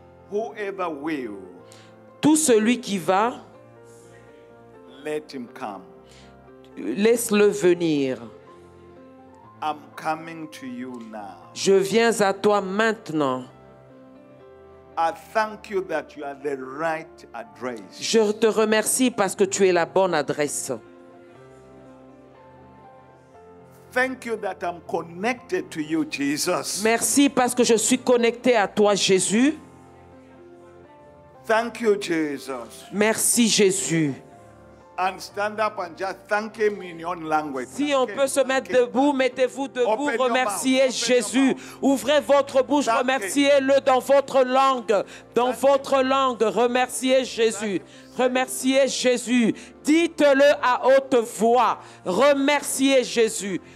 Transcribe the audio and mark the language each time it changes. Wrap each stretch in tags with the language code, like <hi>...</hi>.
<en>Whoever will.</en> <fr>Tout celui qui va.</fr> <en>Let him come.</en> <fr>Laisse-le venir.</fr> <en>I'm coming to you now.</en> <fr>Je viens à toi maintenant.</fr> <en>I thank you that you are the right address.</en> <fr>Je te remercie parce que tu es la bonne adresse.</fr> <en>Thank you that I'm connected to you, Jesus.</en> <fr>Merci parce que je suis connecté à toi, Jésus.</fr> <en>Thank you, Jesus.</en> <fr>Merci, Jésus.</fr> <en>And stand up and just thank him in your own language.</en> <fr>Si on peut se mettre debout, mettez-vous debout, remerciez Jésus. Ouvrez votre bouche, remerciez-le dans votre langue. Dans votre langue, remerciez Jésus. Remerciez Jésus. Dites-le à haute voix. Remerciez Jésus.</fr>